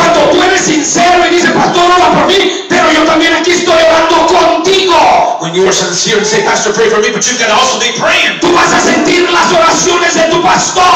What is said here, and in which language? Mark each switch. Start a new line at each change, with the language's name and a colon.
Spanish: Cuando tú eres sincero y dices, pastor, ora por mí, pero yo también aquí estoy orando contigo.
English: When you are sincere and say, pastor, pray for me, but you've got to also be praying.
Spanish: Tú vas a sentir las oraciones de tu pastor.